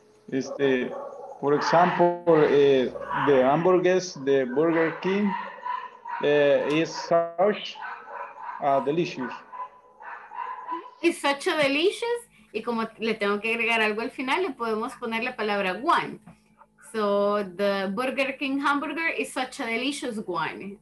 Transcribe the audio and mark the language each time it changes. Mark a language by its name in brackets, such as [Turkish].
[English] Este, for example, the hamburgers, the Burger King, is such a delicious. Is such a delicious? [Spanish] Y como le tengo que agregar algo al final, le podemos poner la palabra one. [English] So the Burger King hamburger is such a delicious one.